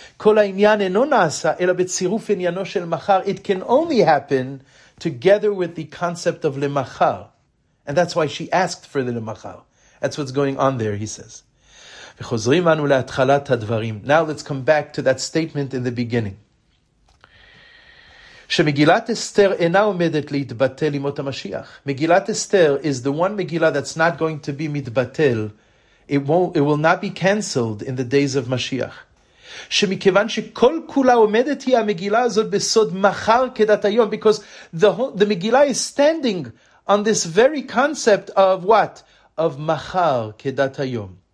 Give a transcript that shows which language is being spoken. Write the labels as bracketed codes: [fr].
[he] Kol ha'inyan eno na'asa, ela betziruf inyano shel machar. [en] It can only happen together with the concept of lemachar. And that's why she asked for the lemachar. That's what's going on there, he says. [he] V'chozrim anu le'atchalat ha'dvarim. [en] Now let's come back to that statement in the beginning. [he] שמגילת אסתר אינה עומדת להתבטל עם מות המשיח. [en] מגילת אסתר is the one מגילה that's not going to be מתבטל. It will not be cancelled in the days of משיח. [he] שמכיוון שכל כולה עומדת היא המגילה הזאת בסוד מחר כדת היום. [en] Because the מגילה is standing on this very concept of what? [he] Of מחר כדת היום.